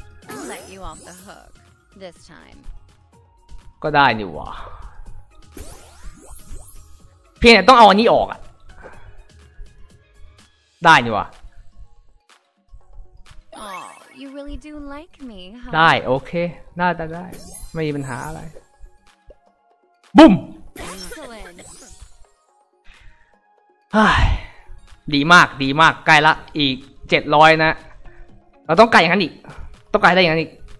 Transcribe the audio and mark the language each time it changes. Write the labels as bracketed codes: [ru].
[en] I'll let you off the hook this time [th] ก็ได้อยู่ว่ะเพียงแต่ต้องเอาอันนี้ออกอะได้นี่วะ [en] oh, you really do like me, huh? [th] ได้โอเคน่าจะได้ไม่มีปัญหาอะไรบุ้มดีมากดีมากใกล้ละอีก700นะเราต้องไกลอย่างนั้นอีกต้องไกลได้อย่างนั้นอีก